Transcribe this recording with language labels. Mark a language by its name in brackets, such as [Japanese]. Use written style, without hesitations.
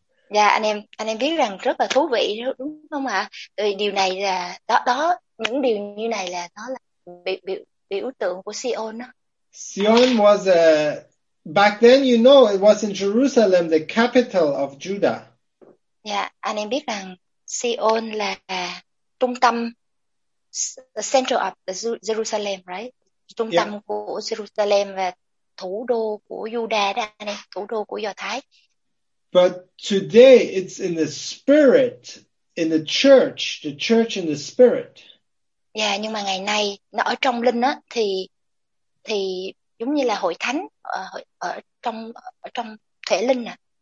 [Vietnamese] Yeah, anh em biết rằng rất là thú vị đúng không ạ? Điều này là đó những điều như này là nó là biểu tượng của Sion. [English] Sion was back then, you know, it was in Jerusalem, the capital of Judah. [Vietnamese] Yeah, anh em biết rằng Sion là trung tâm. [English] The center of the Jerusalem, right? [Vietnamese] Trung tâm của Jerusalem và thủ đô của Juda đó anh em, thủ đô của Do Thái. [English] But today it's in the spirit, in the church in the spirit. [Vietnamese] Yeah, nhưng mà ngày nay nó ở trong linh á, thì giống như là hội thánh ở trong thể linh à.